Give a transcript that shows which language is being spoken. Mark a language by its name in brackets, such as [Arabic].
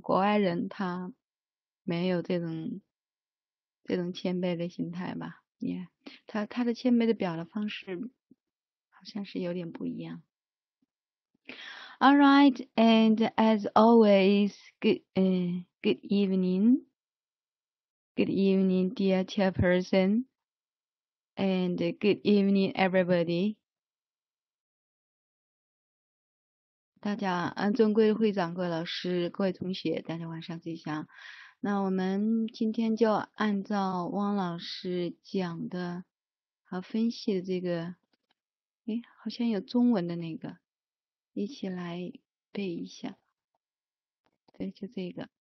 [Chinese] 国外人他没有这种谦卑的心态吧？Yeah，他的谦卑的表达方式。好像是有点不一样。 [English] All right, and as always, good evening, good evening, dear chairperson, and good evening, everybody. [Chinese] 大家，尊贵的会长、各位老师、各位同学，大家晚上吉祥。那我们今天就按照汪老师讲的和分析的这个。诶，好像有中文的那个，一起来背一下。对，就这个。